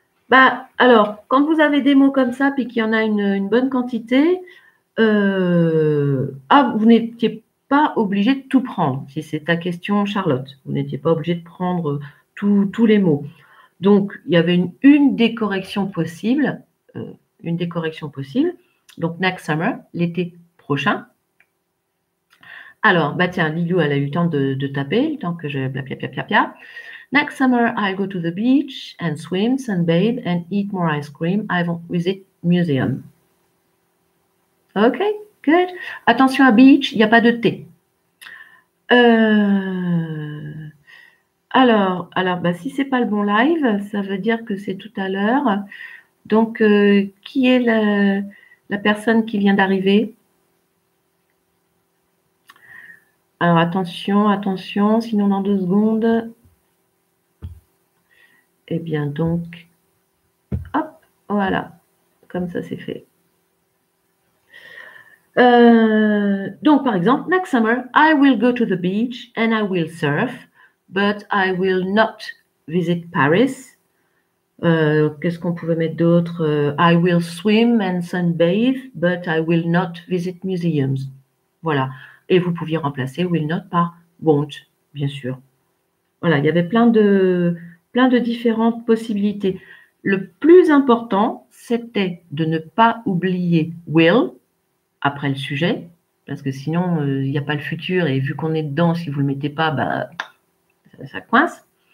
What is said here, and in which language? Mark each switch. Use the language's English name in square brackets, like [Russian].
[French] Bah, alors, quand vous avez des mots comme ça, puis qu'il y en a une bonne quantité, vous n'étiez pas obligé de tout prendre, si c'est ta question, Charlotte. Vous n'étiez pas obligé de prendre tout. tous les mots. Donc, il y avait une des corrections possibles. Une des corrections possibles. Donc, [English] next summer, [French] l'été prochain. Alors, bah tiens, Lilou, elle a eu le temps de taper, le temps que je blablabla. [English] Next summer, I'll go to the beach and swim, sunbathe and eat more ice cream. I won't visit museum. Ok, good. [French] Attention à beach, il n'y a pas de T. Alors, bah, si ce n'est pas le bon live, ça veut dire que c'est tout à l'heure. Donc, qui est la personne qui vient d'arriver? Alors, attention, sinon dans 2 secondes. Eh bien, donc, hop, voilà, comme ça c'est fait. [English] Donc, par exemple, next summer, I will go to the beach and I will surf, but I will not visit Paris. [French] Qu'est-ce qu'on pouvait mettre d'autre? [English] I will swim and sunbathe, but I will not visit museums. [French] Voilà. Et vous pouviez remplacer will not par won't, bien sûr. Voilà, il y avait plein de différentes possibilités. Le plus important, c'était de ne pas oublier will après le sujet, parce que sinon, il n'y a pas le futur, et vu qu'on est dedans, si vous ne le mettez pas, bah, ça coince.